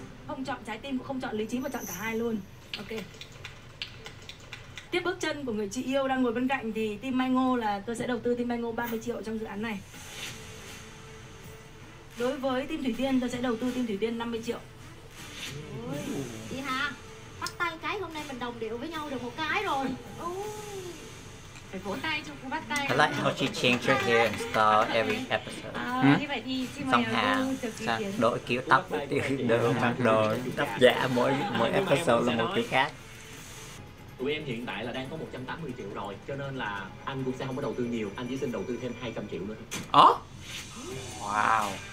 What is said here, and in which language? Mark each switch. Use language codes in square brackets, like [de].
[vi] Không chọn trái tim, không chọn lý trí mà chọn cả hai luôn. Ok. Tiếp bước chân của người chị yêu đang ngồi bên cạnh thì team Mai Ngô là tôi sẽ đầu tư team Mai Ngô 30 triệu trong dự án này. Đối với team Thủy Tiên, tôi sẽ đầu tư team Thủy Tiên 50 triệu. Ôi, chị Hà, bắt tay cái hôm nay mình đồng điệu với nhau được một cái rồi. [en] I like how she changed her hair and style every episode. [vi] Somehow, đổi kiểu tóc thì đổi mặt đồ, tóc giả mỗi episode là một kiểu khác. Tụi em hiện tại là đang có 180 triệu rồi, cho nên là anh cũng sẽ không có đầu tư nhiều, anh chỉ xin đầu tư thêm 200 triệu nữa. Ồ? Oh? Wow.